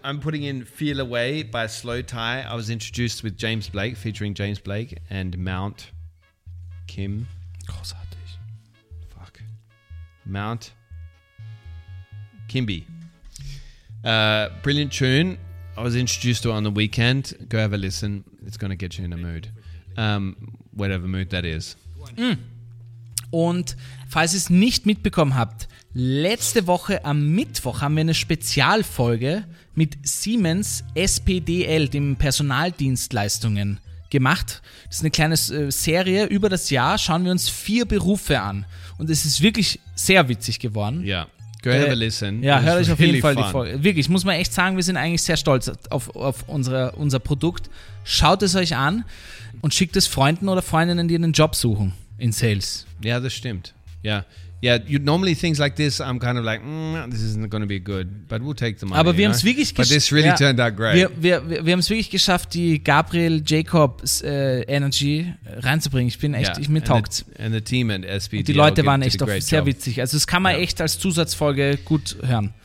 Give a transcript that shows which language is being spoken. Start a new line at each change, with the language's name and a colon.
English: I'm putting in Feel Away by Slow Tie. I was introduced with James Blake, featuring James Blake and Mount Kim.
German: Großartig.
English: Fuck. Mount Kimby. Brilliant tune. I was introduced to it on the weekend. Go have a listen. It's going to get you in a mood. Whatever mood that is. Mm.
German: Und falls ihr es nicht mitbekommen habt, letzte Woche am Mittwoch haben wir eine Spezialfolge mit Siemens SPDL, dem Personaldienstleistungen, gemacht. Das ist eine kleine Serie. Über das Jahr schauen wir uns 4 Berufe an. Und es ist wirklich sehr witzig geworden.
English: Ja, yeah. Go have a listen.
German: Ja, hört euch auf jeden Fall die Folge. Wirklich, muss man echt sagen, wir sind eigentlich sehr stolz auf unser Produkt. Schaut es euch an und schickt es Freunden oder Freundinnen, die einen Job suchen in Sales. Ja, das stimmt. Ja.
English: Yeah, you normally things like this, I'm kind of like, this isn't going to be good, but we'll take the money.
German: Aber wir haben es wirklich geschafft.
English: But this really turned out great.
German: Wir haben es wirklich geschafft, die Gabriel Jacobs Energy reinzubringen. Ich bin echt, mir taugt's.
English: And the team at SPD.
German: Und die Leute waren echt auch sehr witzig. Also das kann man echt als Zusatzfolge gut hören.